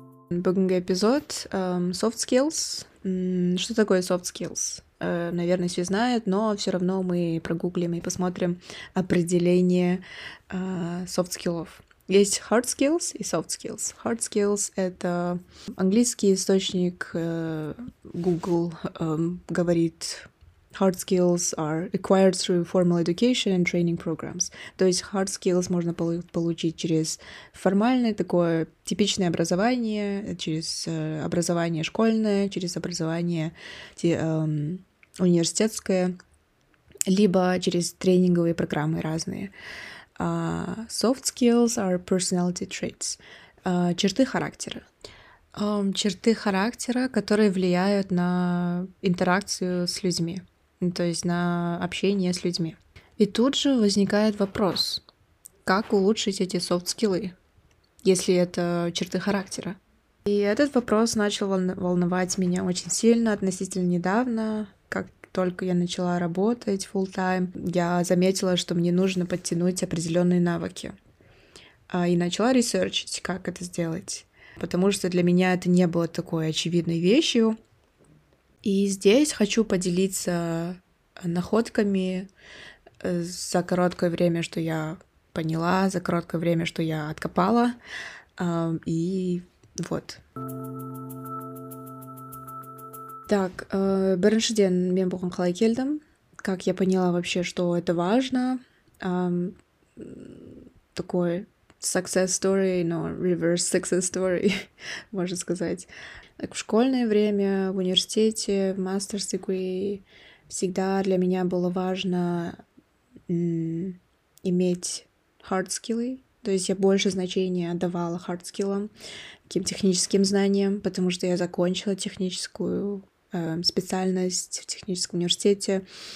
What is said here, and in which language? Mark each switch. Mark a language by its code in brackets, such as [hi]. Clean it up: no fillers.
[kk] Бүгінгі эпизод soft skills. [ru] Что такое soft skills? Наверное, все знают, но все равно мы прогуглим и посмотрим определение soft skills. Есть hard skills и soft skills. Hard skills — это английский источник Google говорит [en] hard skills are acquired through formal education and training programs. [ru] То есть hard skills можно получить через формальное такое типичное образование, через образование школьное, через образование университетское, либо через тренинговые программы разные. [en] Soft skills are personality traits, [ru] черты характера. Черты характера, которые влияют на интеракцию с людьми. То есть на общение с людьми. И тут же возникает вопрос, как улучшить эти софт-скиллы, если это черты характера? И этот вопрос начал волновать меня очень сильно относительно недавно, как только я начала работать full-time, я заметила, что мне нужно подтянуть определенные навыки. И начала ресерчить, как это сделать. Потому что для меня это не было такой очевидной вещью. И здесь хочу поделиться находками за короткое время, что я поняла, за короткое время, что я откопала. И вот. [kk] Так, біріншіден, мен бұған қалай келдім. [ru] Как я поняла вообще, что это важно. Такой success story, но reverse success story, можно сказать. В школьное время, в университете, в master's degree всегда для меня было важно иметь hard skills, То есть я больше значения отдавала хардскиллам, каким техническим знаниям, потому что я закончила техническую специальность в техническом университете.